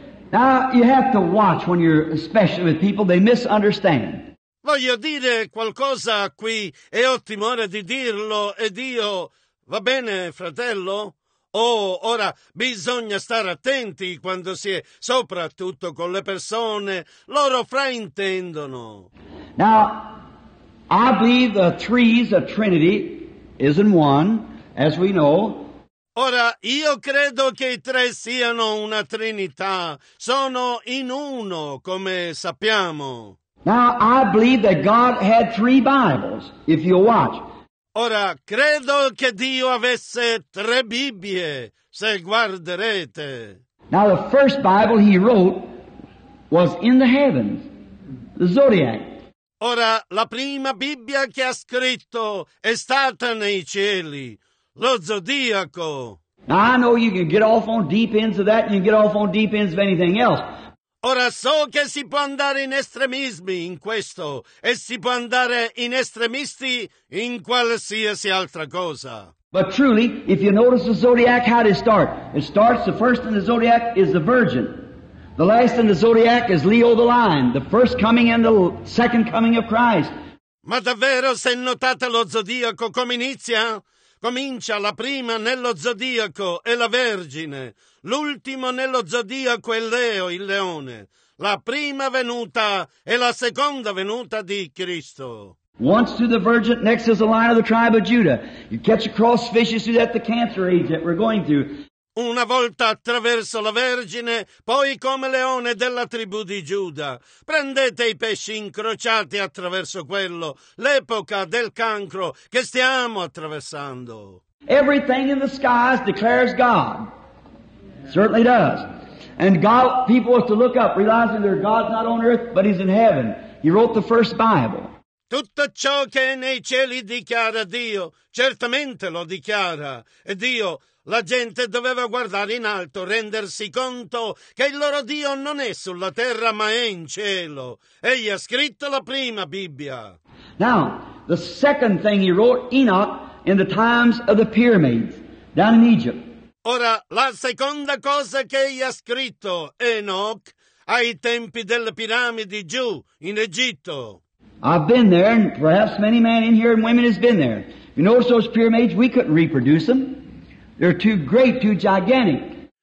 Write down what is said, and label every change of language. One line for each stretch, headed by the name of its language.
English: Now, you have to watch when you're especially with people. They misunderstand.
Italian: Voglio dire qualcosa qui e ho timore di dirlo ed io... Va bene, fratello? Oh, ora bisogna stare attenti quando si è soprattutto con le persone. Loro fraintendono.
English: Now, I believe the threes of Trinity is in one, as we know.
Italian: Ora, io credo che i tre siano una trinità, sono in uno, come sappiamo.
English: Now, I believe that God had three Bibles, if you watch.
Italian: Ora, credo che Dio avesse tre Bibbie, se guarderete.
English: Now, the first Bible he wrote was in the heavens, the Zodiac.
Italian: Ora, la prima Bibbia che ha scritto è stata nei cieli, lo Zodiaco.
English: Now, I know you can get off on deep ends of that, and you can get off on deep ends of anything else.
Italian: Ora so che si può andare in estremismi in questo e si può andare in estremisti in qualsiasi altra cosa.
English: But truly, if you notice the zodiac, how does it start? It starts, the first in the zodiac is the Virgin. The last in the zodiac is Leo the Lion, the first coming and the second coming of Christ.
Italian: Ma davvero, se notate lo zodiaco come inizia? Comincia la prima nello zodiaco e la Vergine, l'ultimo nello zodiaco è Leo, il leone, la prima venuta e la seconda venuta di Cristo.
English: Once through the Virgin, next is the Lion of the tribe of Judah. You catch a cross fishes through that, the cancer age that we're going through.
Italian: Una volta attraverso la Vergine, poi come leone della tribù di Giuda. Prendete i pesci incrociati attraverso quello, l'epoca del cancro che stiamo attraversando.
English: Everything in the skies declares God. Certainly does. And God, people have to look up, realizing their God's not on earth, but he's in heaven. He wrote the first Bible.
Italian: Tutto ciò che nei cieli dichiara Dio, certamente lo dichiara. E Dio, la gente doveva guardare in alto, rendersi conto che il loro Dio non è sulla terra, ma è in cielo. Egli ha scritto la prima Bibbia.
English: Now, the second thing he wrote, Enoch, in the times of the pyramids, down in Egypt.
Italian: Ora, la seconda cosa che egli ha scritto, Enoch, ai tempi delle piramidi giù, in Egitto.
English: I've been there, and perhaps many men in here and women has been there. You notice those pyramids, we couldn't reproduce them. They're too great, too gigantic.